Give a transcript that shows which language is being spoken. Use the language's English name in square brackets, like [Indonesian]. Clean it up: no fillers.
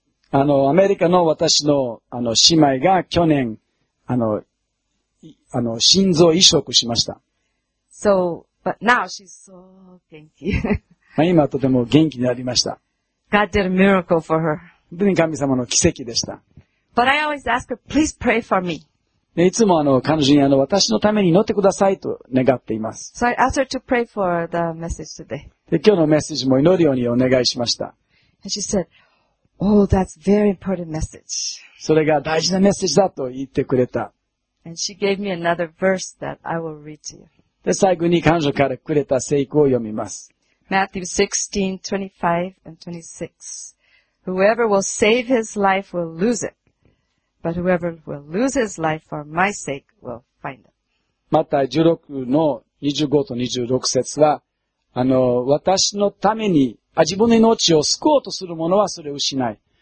[Japanese] アメリカの私の、姉妹が去年、心臓移植しました。 [English] So, but now she's so 元気。 [Japanese] まあ今とても元気になりました。 [English] God did a miracle for her. [Japanese] 本当に神様の奇跡でした。 [English] But I always ask her, please pray for me. [Japanese] いつも彼女に私のために祈ってくださいと願っています。 [English] So I asked her to pray for the message today. [Japanese] で今日のメッセージも祈るようにお願いしました。 [English] And she said, oh, that's very important message. [Japanese] それが大事なメッセージだと言ってくれた。 [English] And she gave me another verse that I will read to you. [Japanese] で最後に彼女からくれた聖句を読みます。 [English] Matthew 16:25 and 26. Whoever will save his life will lose it. But whoever will lose his life for my sake will find it. [Japanese] また16の25と26節は、私のために、自分の命を救おうとする者はそれを失い。